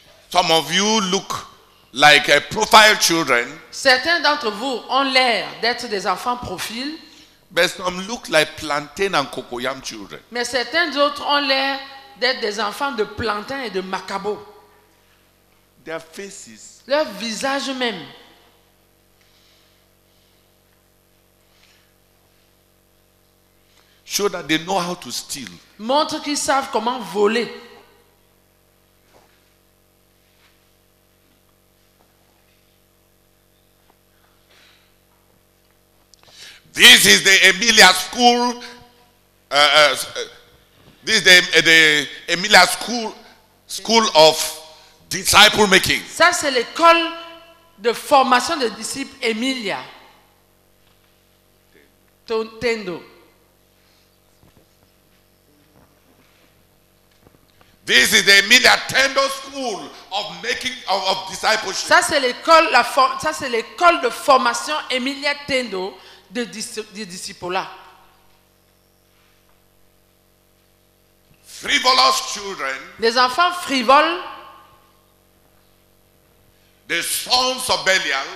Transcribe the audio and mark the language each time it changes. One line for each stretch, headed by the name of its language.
English: Some of you look like a profile children.
French: Certains d'entre vous ont l'air d'être des enfants profil.
English: But some look like plantain and cocoyam children.
French: Mais certains d'autres ont l'air d'être des enfants de plantain et de macabo.
English: Their faces.
French: Leur visage même.
English: Show that they know how to steal.
French: Montre qu'ils savent comment voler.
English: This is the Emilia School. This is the Emilia School of Disciple Making.
French: Ça c'est l'école de formation de disciples Emilia.
English: Tendo. This is the Emilia Tendo School of Making of Discipleship.
French: Ça c'est l'école l'école de formation Emilia Tendo. De disciples là.
English: Frivolous children.
French: Des enfants frivoles.
English: The sons of Belial.